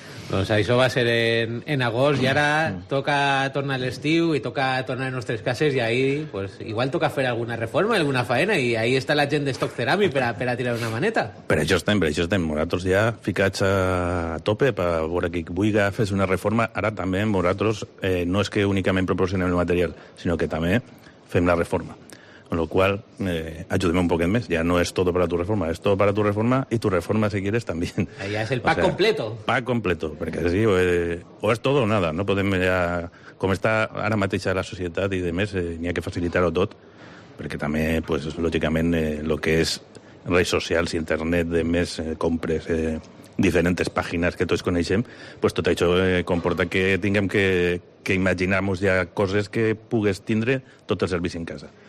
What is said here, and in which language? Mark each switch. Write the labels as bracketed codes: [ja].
[ca] Doncs això va ser en agost, i ara toca tornar a l'estiu i toca tornar a nostres cases, i ahí, pues, igual toca fer alguna reforma, alguna faena, i ahí està la gent d'Stock Cerami per a tirar una maneta. Per això estem, moratros ja ficats a tope per veure qui vulga fer una reforma. Ara també, moratros, no és que únicament proporcionem el material, sinó que també fem la reforma. [es] Con lo cual, ayúdeme un poquet més. [ca] Ja no és tot per a tu reforma, és tot per a tu reforma i tu reforma, si quieres, también. Ja és el pack, o sea, completo. Pack completo, perquè sí, o és tot o nada. No podem ja... Com està ara mateix la societat i demés, n'hi ha que facilitar-ho tot, perquè també, pues, lògicament, lo que és redes socials, internet, demés, compres, diferents pàgines que tots coneixem, pues tot això comporta que tinguem que imaginar-nos ja coses que pugues tindre tot el servei en casa.